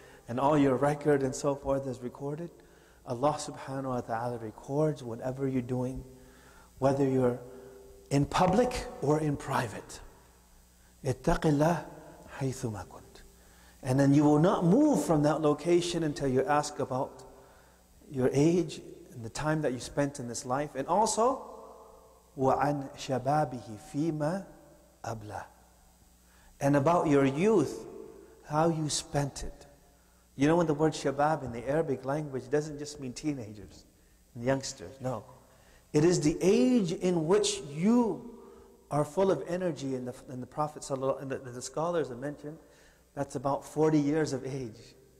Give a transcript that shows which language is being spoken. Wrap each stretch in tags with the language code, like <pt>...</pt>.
<en>and all your record and so forth is recorded. Allah subhanahu wa ta'ala records whatever you're doing, whether you're in public or in private.</en> <ar>اتَّقِ اللَّهِ حَيْثُمَا كُنْتِ.</ar> <en>And then you will not move from that location until you ask about your age and the time that you spent in this life. And also,</en> <ar>وَعَنْ شَبَابِهِ فِيمَا أَبْلَى.</ar> <en>And about your youth, how you spent it. You know, when the word shabab in the Arabic language doesn't just mean teenagers and youngsters, no. It is the age in which you are full of energy, and the Prophet and the scholars have mentioned that's about 40 years of age.</en>